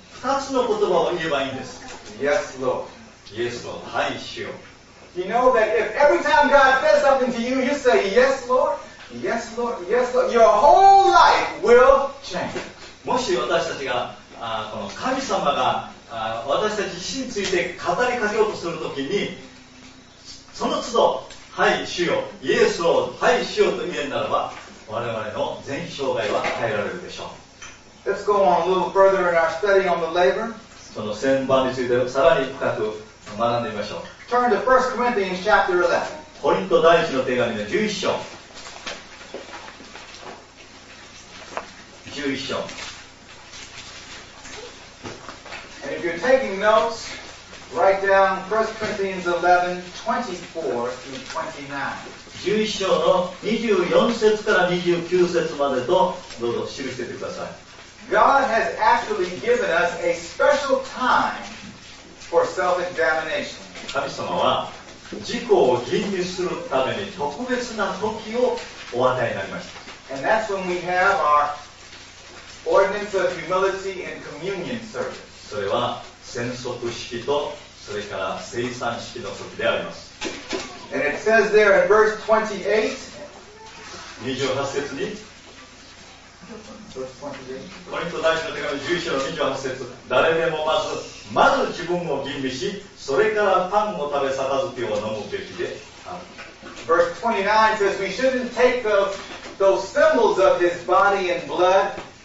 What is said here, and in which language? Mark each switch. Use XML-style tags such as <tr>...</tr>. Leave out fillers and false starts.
<ja>二つの言葉を言えばいいんです。</ja> <en>Yes, Lord. Yes, Lord.</en> <ja>はい、主よ。</ja> <en>You know that if every time God says something to you, you say yes, Lord, yes, Lord, yes, Lord, your whole life will change.</en> <ja>もし私たちがこの神様が私たち自身について語りかけようとするときに、その都度はい主よ、イエスをはい主よと言えるならば、我々の全生涯は変えられるでしょう。</ja> <en>Let's go on a little further in our study on the labor.</en> <ja>その旋盤についてさらに深く学んでみましょう。</ja> <en>Turn to 1 Corinthians chapter 11.</en> <ja>コリント第一の手紙の11章。 11章。</ja> <en>And if you're taking notes, write down 1 Corinthians 11, 24 through 29.</en> <ja>11章の24節から29節までとどうぞ記しててください。</ja> <en>God has actually given us a special time for self-examination.</en> <ja>神様は自己を吟味するために特別な時をお与えになりました。</ja> <en>And that's when we have our ordinance of humility and communion service.</en> <ja>それは宣束式とそれから聖餐式の時であります。</ja> <en>And it says there in verse 28,</en> <ja>28節に、コリント第一の手紙11章の28節、誰でもまず自分を吟味し、それからパンを食べ杯を飲むべきである。</ja> <en>Verse 29 says we shouldn't take those symbols of his body and bloodunworthily.</en>